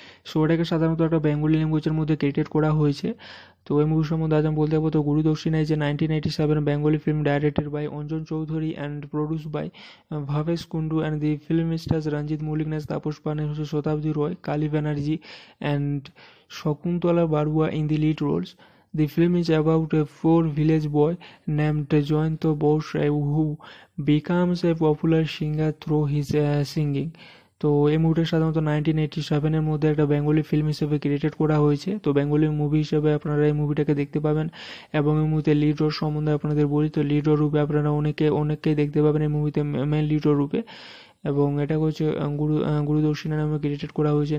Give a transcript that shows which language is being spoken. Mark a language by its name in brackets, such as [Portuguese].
[Bangla] So এটাকে সাধারণত একটা বেঙ্গলি ল্যাঙ্গুয়েজের মধ্যে ক্রিয়েটেড করা হয়েছে। তো এই মুভি সম্বন্ধে আজ আমি বলতে যাবো। তো গুরু দক্ষিণা যে 1997 Bengali film, [English] Directed by Anjan Chowdhury and produce by Bhabesh Kundu and the film stars Ranjit Mallick, নেস Tapas Paul, Satabdi Roy, Kali Banerjee and Sakuntala Barua in the lead roles. The film is about a poor village boy named Jayanta Bose who becomes a popular singer through his singing. [Bangla] তো এই মুভিটা সাধারণত 1987 মধ্যে একটা Bengali film হিসেবে created করা হয়েছে। তো বেঙ্গলি মুভি হিসেবে আপনারা এই মুভিটাকে দেখতে পাবেন। এবং এই মুভিতে লিড রোল সম্বন্ধে আপনাদের বলি, তো লিড রোল রূপে আপনারা অনেকে অনেককেই দেখতে পাবেন এই মুভিতে মেন লিড রোল রূপে। এবং এটা হচ্ছে গুরুদক্ষিণা নামে ক্রিয়েটেড করা হয়েছে।